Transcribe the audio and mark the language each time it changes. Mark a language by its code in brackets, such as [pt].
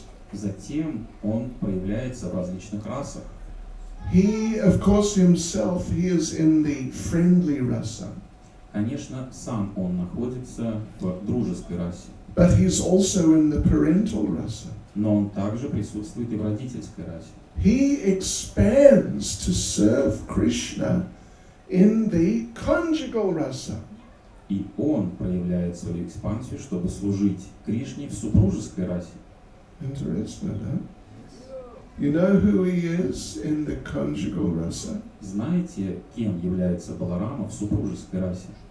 [ru] Затем он появляется в различных расах. [en] He, of course, himself, he is in the friendly rasa. [ru] Конечно, сам он находится в дружеской расе. [en] But he's also in the parental rasa. [ru] Но он также присутствует и в родительской расе. [en] He expands to serve Krishna in the conjugal rasa. [ru] И он проявляет свою экспансию, чтобы служить Кришне в супружеской расе. [en] Interesting, [ru] да? [en] You know who he is in the conjugal rasa? [ru] Знаете, кем является Баларама в супружеской расе?